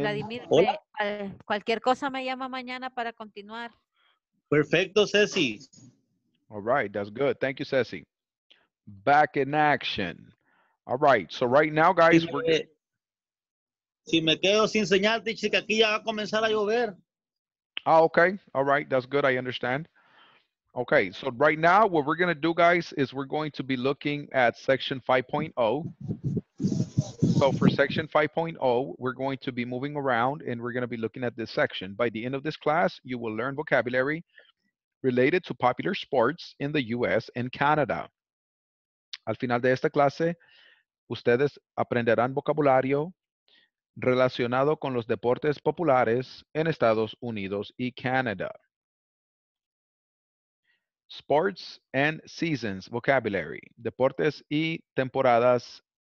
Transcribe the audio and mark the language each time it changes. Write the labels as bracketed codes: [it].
[es] Vladimir. Hola. Cualquier cosa me llama mañana para continuar. Perfecto, Ceci. [en] All right. That's good. Thank you, Ceci. Back in action. All right, so right now, guys, [es] si me, [en] we're... [es] Si me quedo sin señal, teacher, que aquí ya va a comenzar a llover. [en] Ah, okay. All right, that's good. I understand. Okay, so right now, what we're going to do, guys, is we're going to be looking at section 5.0. So for section 5.0, we're going to be moving around, and we're going to be looking at this section. By the end of this class, you will learn vocabulary related to popular sports in the U.S. and Canada. [es] Al final de esta clase... Ustedes aprenderán vocabulario relacionado con los deportes populares en Estados Unidos y Canadá. [en] Sports and seasons vocabulary. [es] Deportes y temporadas.